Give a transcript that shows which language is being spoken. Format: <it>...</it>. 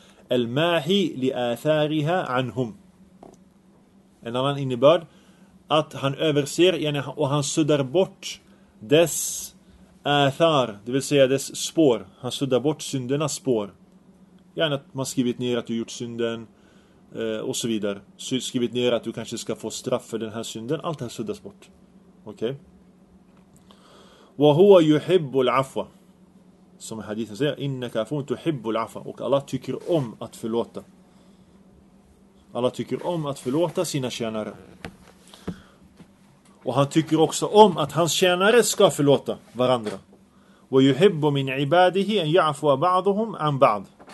<ar>Al-mahi li-athariha anhum.</ar> <sv>En annan innebörd, att han överser, yani, och han suddar bort dess athar, det vill säga dess spår. Han suddar bort syndernas spår. Yani att man skrivit ner att du gjort synden, och så vidare. Skrivit ner att du kanske ska få straff för den här synden. Allt det här suddas bort.</sv> <ar>Okej. وَهُوَ يُحِبُّ الْعَفْوَ.</ar> <sv>Som hadithen säger:</sv> <ar>إِنَّكَ عَفُونَ تُحِبُّ الْعَفْوَ.</ar> <sv>Och alla tycker om att förlåta. Alla tycker om att förlåta sina tjänare. Och han tycker också om att hans tjänare ska förlåta varandra.</sv> <ar>وَيُحِبُّ مِنْ عِبَادِهِ أَنْ يَعْفُوَ بَعْضُهُمْ عَنْ بَعْضُ.</ar>